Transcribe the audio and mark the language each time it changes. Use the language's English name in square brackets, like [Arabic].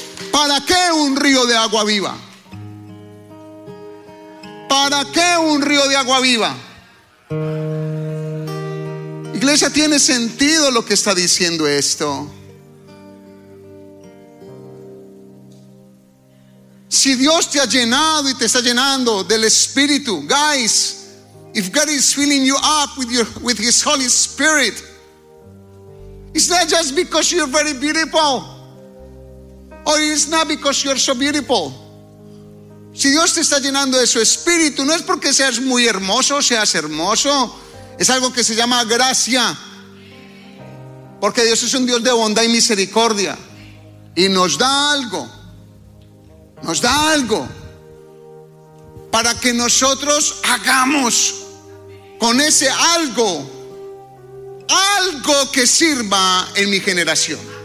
[Spanish] ¿Para qué un río de agua viva? ¿Para qué un río de agua viva? Iglesia, tiene sentido lo que está diciendo esto. Si Dios te ha llenado y te está llenando del Espíritu, [English] guys, if God is filling you up with His Holy Spirit, it's not just because you're very beautiful, or it's not because you're so beautiful. [Spanish] Si Dios te está llenando de su Espíritu, no es porque seas muy hermoso, seas hermoso. Es algo que se llama gracia, porque Dios es un Dios de bondad y misericordia, y nos da algo. Nos da algo para que nosotros hagamos con ese algo, algo que sirva en mi generación.